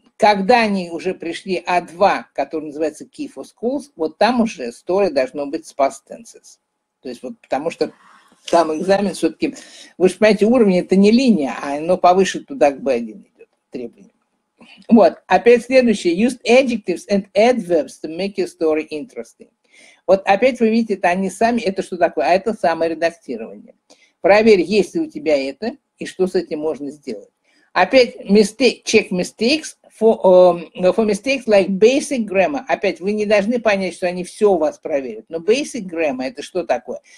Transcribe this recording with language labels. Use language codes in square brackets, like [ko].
[ru] Когда они уже пришли А2, который называется Key for Schools, вот там уже story должно быть с Past Tenses. То есть вот потому что там экзамен все-таки... Вы же понимаете, уровень это не линия, а оно повыше туда к B1 идет требование. Вот, опять следующее. [en] Used adjectives and adverbs to make your story interesting. [ru] Вот опять вы видите, это они сами, это что такое? А это саморедактирование. Проверь, есть ли у тебя это, и что с этим можно сделать. [en] Опять check mistakes for mistakes like basic grammar. [ru] Опять, вы не должны понять, что они все у вас проверят. Но basic grammar, это что такое?